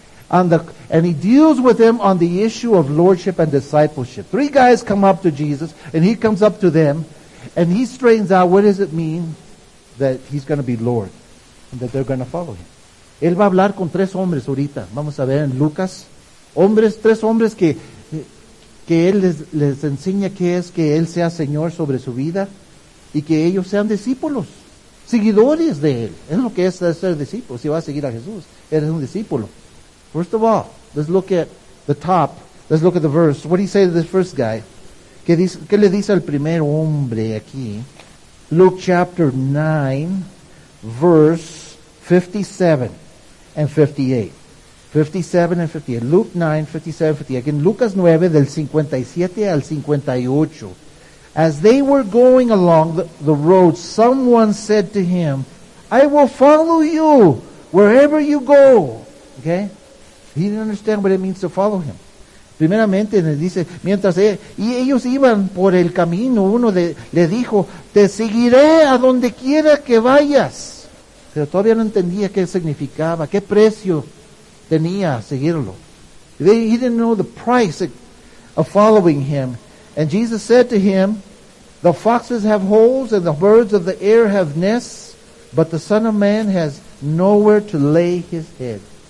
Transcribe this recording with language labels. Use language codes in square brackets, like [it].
[en] And he deals with them on the issue of lordship and discipleship. Three guys come up to Jesus, and he comes up to them, and he straightens out what does it mean that he's going to be Lord, and that they're going to follow him. [es] Él va a hablar con tres hombres ahorita. Vamos a ver en Lucas. Hombres, tres hombres que él les enseña qué es que él sea Señor sobre su vida, y que ellos sean discípulos, seguidores de él. Es lo que es ser discípulo. Si vas a seguir a Jesús, eres un discípulo. [en] First of all, let's look at the top. Let's look at the verse. What did he say to the first guy? [es] ¿Qué le dice al primer hombre aquí? [en] Luke chapter 9, verse 57 and 58. 57 and 58. Luke 9, 57, 58. Again, [es] Lucas 9, del 57 al 58. [en] As they were going along the road, someone said to him, I will follow you wherever you go. Okay? He didn't understand what it means to follow him. [es] Primeramente, le dice, mientras ellos iban por el camino, uno le dijo, te seguiré a donde quiera que vayas. Pero todavía no entendía qué significaba, qué precio tenía seguirlo. [en] He didn't know the price of following him. And Jesus said to him, the foxes have holes and the birds of the air have nests, but the Son of Man has nowhere to lay his head.